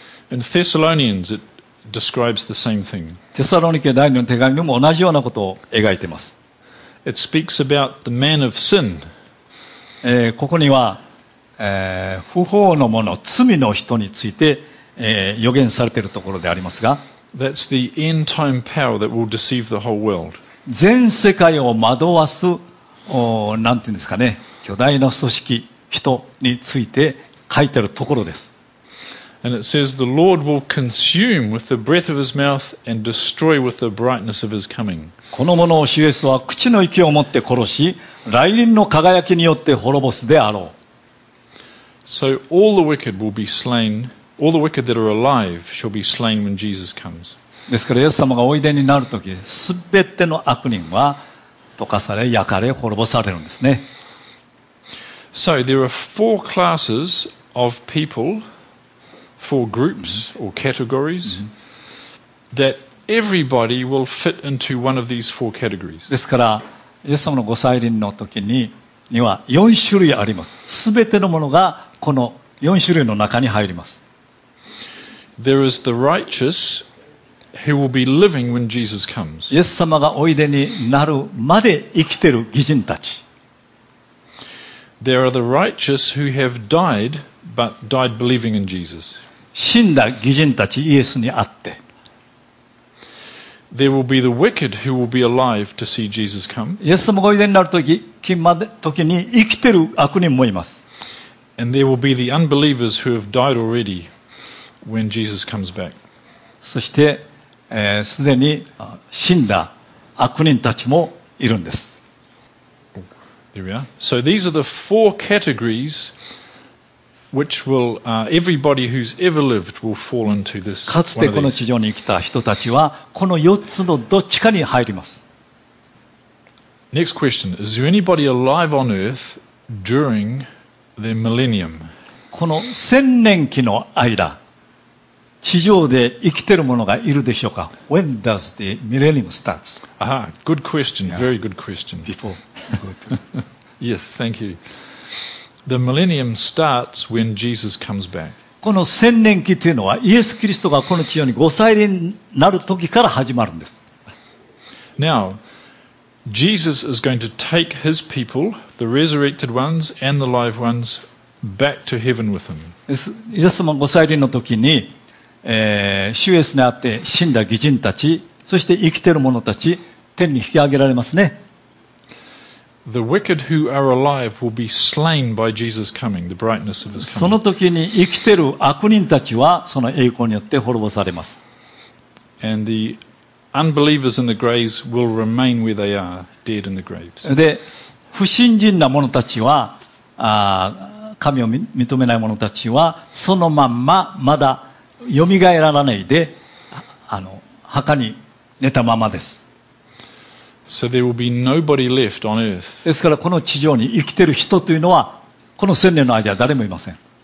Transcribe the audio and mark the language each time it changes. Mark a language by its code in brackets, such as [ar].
[en] In Thessalonians, it describes the same thing. [ja] テサロニケ第2の手紙にも同じようなことを描いています。 [en] It speaks about the man of sin. [ja] ここには、不法のもの、罪の人について、予言されているところでありますが、 [en] That's the end time power that will deceive the whole world. [ja] 全世界を惑わす、なんていうんですかね、巨大な組織、人について書いているところです。 [en] And it says the Lord will consume with the breath of his mouth and destroy with the brightness of his coming. [ja] この者を主イエスは口の息を持って殺し、来臨の輝きによって滅ぼすであろう。 [en] So all the wicked will be slain, all the wicked that are alive shall be slain when Jesus comes. [ja] ですからイエス様がおいでになるとき、すべての悪人は溶かされ、焼かれ、滅ぼされるんですね。 [en] So there are four classes of people. Four groups or categories that everybody will fit into one of these four categories. [ja] ですから、イエス様のご再臨の時には4種類あります。すべてのものがこの4種類の中に入ります。 [en] There is the righteous who will be living when Jesus comes. [ja] イエス様がおいでになるまで生きている義人たち。 [en] There are the righteous who have died but died believing in Jesus. [ja] 死んだ義人たちイエスに会って。 [en] There will be the wicked who will be alive to see Jesus come. [ja] イエス様がおいでになる時に生きている悪人もいます。 [en] And there will be the unbelievers who have died already when Jesus comes back. [ja] そして、すでに死んだ悪人たちもいるんです。 [en] There we are. So these are the four categories. Which will, everybody who's ever lived will fall into this. [ja] かつてこの地上に生きた人たちはこの4つのどっちかに入ります。 [en] Next question: Is there anybody alive on earth during the millennium? [ja] この千年期の間、地上で生きているものがいるでしょうか ？ [en] When does the millennium start? Ah, good question. Very good question. Before. Yes, thank you. The millennium starts when Jesus comes back. [ja] この千年期というのはイエス・キリストがこの地上にご再臨になる時から始まるんです。 [en] Now, Jesus is going to take his people, the resurrected ones and the live ones, back to heaven with him. [ja] イエス様ご再臨の時に、主イエスに会って死んだ義人たち、そして生きている者たち、天に引き上げられますね。 [en] The wicked who are alive will be slain by Jesus' coming, the brightness of his coming. [ja] その時に生きている悪人たちはその栄光によって滅ぼされます。 [en] And the unbelievers in the graves will remain where they are, dead in the graves. [ja] で、不信心な者たちは、神を認めない者たちはそのまんままだ蘇らないで、墓に寝たままです。 [en] So there will be nobody left on earth. [ja] ですからこの地上に生きている人というのはこの千年の間誰もいません。